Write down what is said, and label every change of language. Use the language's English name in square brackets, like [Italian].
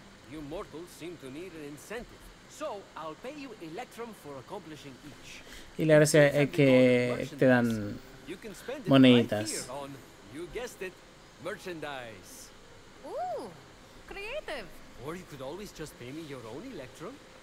[English] You mortals seem to need an incentive, so I'll pay you electrum for accomplishing each. [Spanish] Y la gracia es que te dan moneditas. [English] You guessed it, merchandise. Ooh, creative. Or you could always just pay me your own electrum.